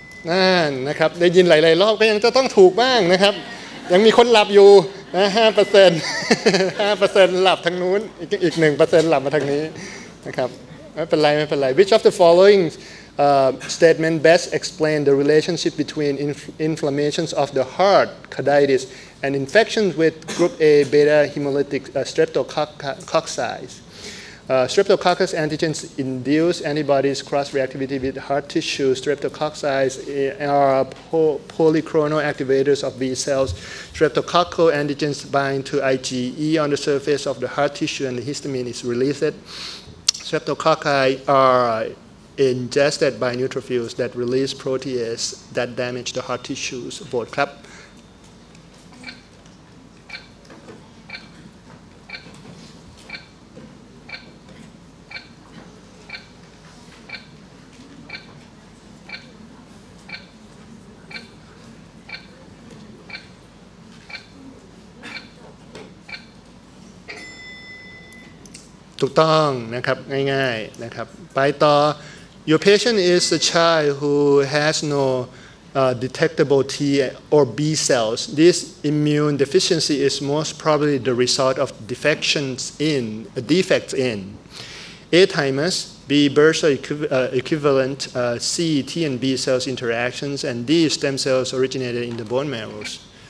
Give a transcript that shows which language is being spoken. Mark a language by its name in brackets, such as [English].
[Thai] นั่นนะครับได้ยินหลายๆรอบก็ยังจะต้องถูกบ้างนะครับยังมีคนหลับอยู่นะ 5% 5% หลับทางนู้นอีก 1% หลับมาทางนี้นะครับไม่เป็นไร [English] Which of the following statement best explain the relationship between inflammations of the heart carditis and infections with group A beta hemolytic streptococci Streptococcus antigens induce antibodies cross-reactivity with heart tissue. Streptococci are polyclonal activators of B cells. Streptococcal antigens bind to IgE on the surface of the heart tissue and the histamine is released. Streptococci are ingested by neutrophils that release proteases that damage the heart tissues. [Thai] Vote ครับถูกต้องนะครับง่ายๆนะครับไปต่อ [English] Your patient is a child who has no detectable T or B cells. This immune deficiency is most probably the result of defects in A thymus, B bursa equivalent, C T and B cells interactions, and D stem cells originated in the bone marrows.